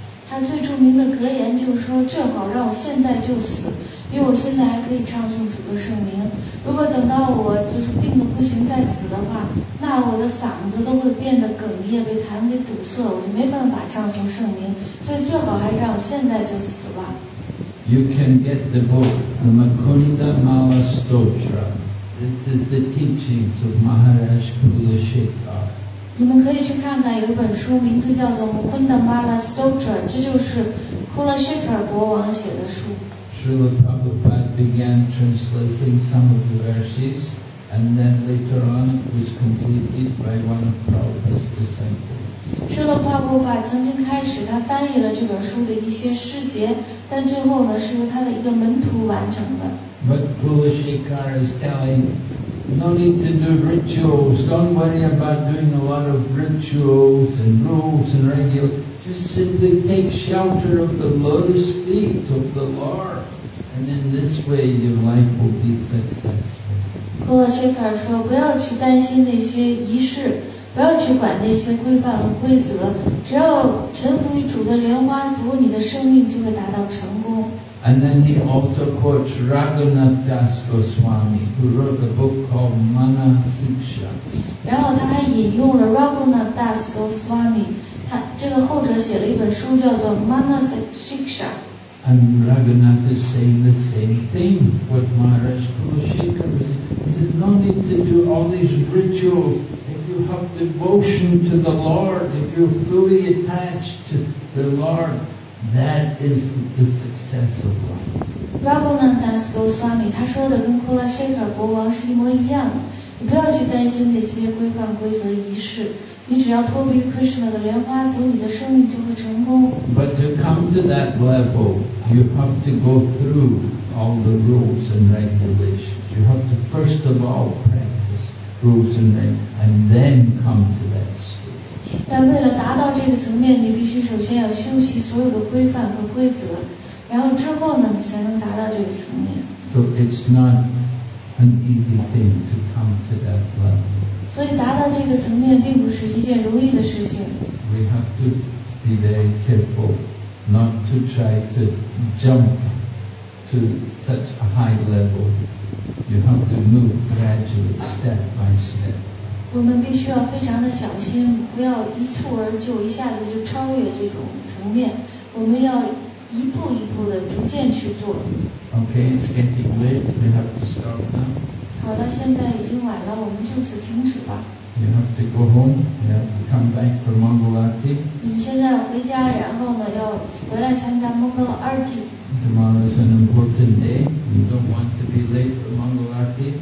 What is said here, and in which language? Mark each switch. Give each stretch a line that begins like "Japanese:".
Chinese: 他最著名的格言就是说，最好让我现在就死，因为我现在还可以唱诵主的圣名。如果等到我就是病得不行再死的话，那我的嗓子都会变得哽咽，被痰给堵塞，我就没办法唱诵圣名。所以最好还是让我现在就死吧。
English: You can get the book, the Mukunda Mala Stotra. This is the teachings of Maharaj Kula Shekhar.
Chinese: 你们可以去看看，有一本书名字叫做 Mukunda Mala Stotra， 这就是 Kula Shekhar 国王写的书。
English: Srila Prabhupada began translating some of the verses and then later on it was completed by one of Prabhupada's disciples.
Chinese: Srila Prabhupada 曾经开始他翻译了这本书的一些诗节，但最后呢是由他的一个门徒完成的。
English: But Kula Shekhar is tellingNo need to do rituals. Don't worry about doing a lot of rituals and rules and regulations. Just simply take shelter of the lotus feet of the Lord. And in this way, your life will be successful.
Chinese: Kula Shekhar 说不要去担心那些仪式，不要去管那些规范和规则，只要臣服于主的莲花足，你的生命就会达到成功。
English: And then he also quotes Raghunath Das Goswami, who wrote the book called Mana Shiksha.
Chinese: 然后他还引用了 Raghunath Das Goswami, 他这个后者写了一本书叫做 Mana Shiksha.
English: And Raghunath is saying the same thing with Maharaj Kulashekar. He said, no need to do all these rituals. If you have devotion to the Lord, if you're fully attached to the Lord, that is the success.
Chinese: Raghunath Das Goswami 他说的跟 Kulashekar 国王是一模一样的，你不要去担心那些规范规则仪式，你只要脱离 Krishna 的莲花足，你的生命就会成功。
English: But to come to that level, you have to go through all the rules and regulations. You have to first of all practice rules and regulations, and then come to that stage.
Chinese: 但为了达到这个层面，你必须首先要修习所有的规范和规则，然后之后呢，你才能达到这个层面。
English: So it's not an easy thing to come to that level.
Chinese: 所以达到这个层面并不是一件容易的事情。
English: We have to be very careful not to try to jump to such a high level. You have to move gradually, step by step.
Chinese: 我们必须要非常的小心，不要一蹴而就，一下子就超越这种层面。我们要一步一步的逐渐去做。
English: Okay, it's getting late. We have to stop now.
Chinese: 好了，现在已经晚了，我们就此停止吧。
English: You have to go home. You have to come back for Mangal Arti.
Chinese: 你们现在回家，然后呢，要回来参加 Mangal Arti.
English: Tomorrow is an important day. You don't want to be late for Mangal Arti.